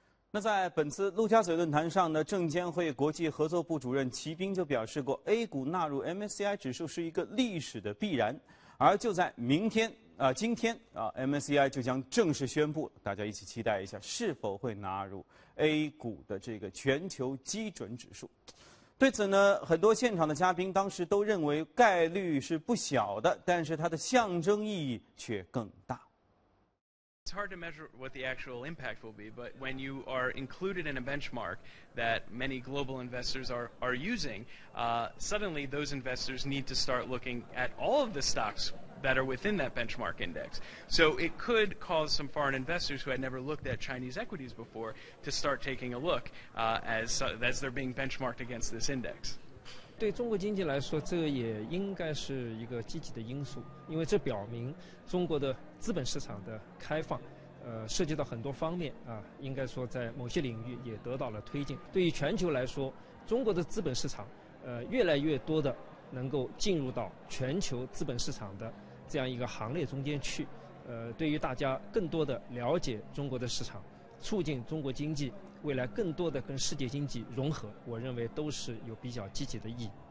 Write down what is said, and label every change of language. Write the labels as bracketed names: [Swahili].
[Chinese] 那在本次陆家嘴论坛上呢，证监会国际合作部主任齐斌就表示过， A 股纳入 MSCI 指数是一个历史的必然，而就在明天今天 MSCI 就将正式宣布，大家一起期待一下是否会纳入 A 股的这个全球基准指数。对此呢，很多现场的嘉宾当时都认为概率是不小的，但是它的象征意义却更大。 [English] It's hard to measure what the actual impact will be, but when you are included in a benchmark that many global investors are using, suddenly those investors need to start looking at all of the stocks that are within that benchmark index. So it could cause some foreign investors who had never looked at Chinese equities before to start taking a look as they're being benchmarked against this index. [Chinese] 对中国经济来说，这也应该是一个积极的因素，因为这表明中国的资本市场的开放，涉及到很多方面啊，应该说在某些领域也得到了推进。对于全球来说，中国的资本市场，越来越多的能够进入到全球资本市场的这样一个行列中间去，对于大家更多的了解中国的市场，促进中国经济未来更多的跟世界经济融合，我认为都是有比较积极的意义。